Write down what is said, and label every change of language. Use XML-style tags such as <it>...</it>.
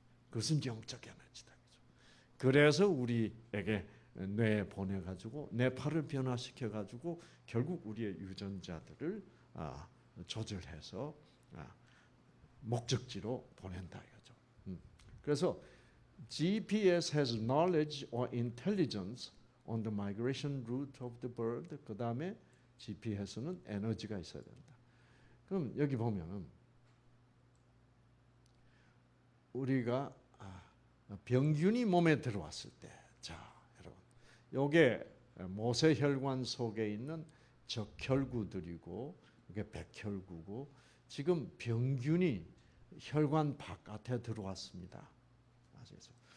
<ko>그것은 영적 에너지다. 그래서 우리에게 뇌에 보내가지고 뇌파를 변화시켜가지고 결국 우리의 유전자들을 조절해서 목적지로 보낸다 이거죠. 그래서</ko> <en>GPS has knowledge or intelligence on the migration route of the bird.</en> <ko>그 다음에 GPS는 에너지가 있어야 된다. 그럼 여기 보면은 우리가 병균이 몸에 들어왔을 때, 자 여러분, 이게 모세혈관 속에 있는 적혈구들이고 이게 백혈구고 지금 병균이 혈관 바깥에 들어왔습니다. 아시겠어요?</ko>